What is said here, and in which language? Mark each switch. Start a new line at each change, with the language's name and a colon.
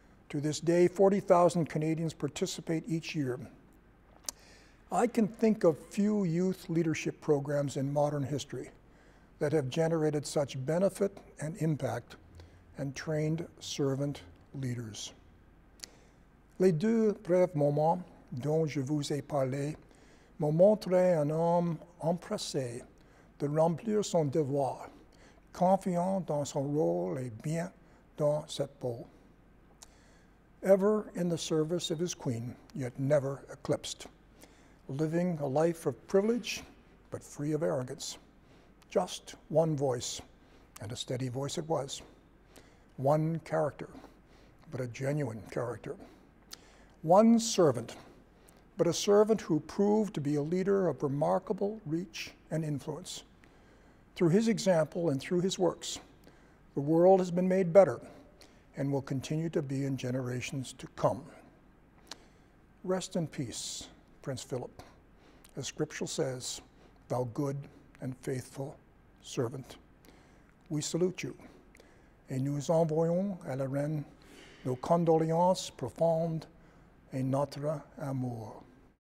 English: To this day, 40,000 Canadians participate each year. I can think of few youth leadership programs in modern history that have generated such benefit and impact and trained servant leaders.
French: Les deux brefs moments dont je vous ai parlé m'ont montré un homme empressé de remplir son devoir, confiant dans son rôle et bien dans sa peau.
English: Ever in the service of his queen, yet never eclipsed. Living a life of privilege, but free of arrogance. Just one voice, and a steady voice it was. one character, but a genuine character. One servant, but a servant who proved to be a leader of remarkable reach and influence. Through his example and through his works, the world has been made better and will continue to be in generations to come. Rest in peace, Prince Philip. As scripture says, thou good and faithful servant. We salute you.
French: Et nous envoyons à la reine nos condoléances profondes et notre amour.